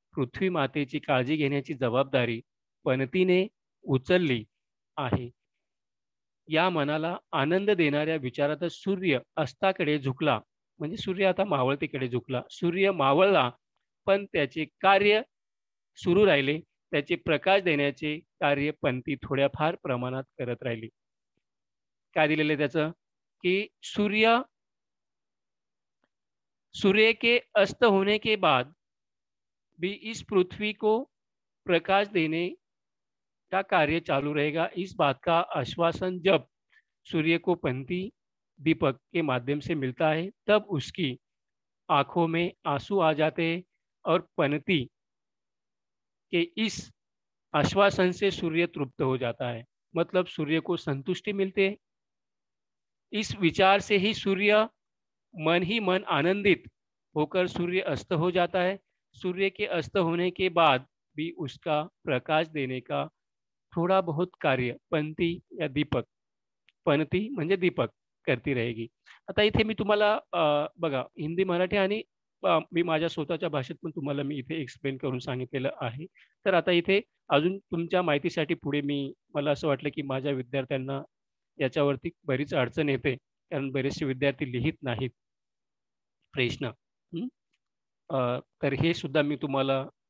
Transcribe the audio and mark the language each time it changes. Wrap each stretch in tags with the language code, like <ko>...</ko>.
<mr>पृथ्वी मातेची काळजी घेण्याची जबाबदारी पनतीने उचलली आहे, या मनाला आनंद देणाऱ्या विचारात सूर्य अस्ताकडे झुकला, म्हणजे सूर्य आता मावळतीकडे झुकला, सूर्य मावळला पण त्याचे कार्य सुरू राहिले, त्याचे प्रकाश देण्याचे कार्य पंती थोड्याफार प्रमाणात करत राहिली। काय दिलेलं त्याचं,</mr> <hi>की सूर्य सूर्य के अस्त होने के बाद भी इस पृथ्वी को प्रकाश देने का कार्य चालू रहेगा, इस बात का आश्वासन जब सूर्य को पंती दीपक के माध्यम से मिलता है, तब उसकी आंखों में आंसू आ जाते हैं, और पनती के इस आश्वासन से सूर्य तृप्त हो जाता है, मतलब सूर्य को संतुष्टि मिलते है। इस विचार से ही सूर्य मन ही मन आनंदित होकर सूर्य अस्त हो जाता है, सूर्य के अस्त होने के बाद भी उसका प्रकाश देने का थोड़ा बहुत कार्य पनती या दीपक,</hi> <mr>पनती म्हणजे दीपक</mr> <hi>करती रहेगी।</hi> <mr>आता इथे मी तुम्हाला बघा, हिंदी मराठी आणि मी माझ्या स्वतःच्या भाषेत पण तुम्हाला मी इथे एक्सप्लेन करून सांगितलेलं आहे, तर आता इथे अजून तुमच्या माहितीसाठी पुढे मी, मला असं वाटलं की माझ्या विद्यार्थ्यांना याच्यावरती बरीच अडचण येते, कारण बरेचसे विद्यार्थी लिहित नाहीत प्रश्न, तर हे सुद्धा मी तुम्हाला</mr>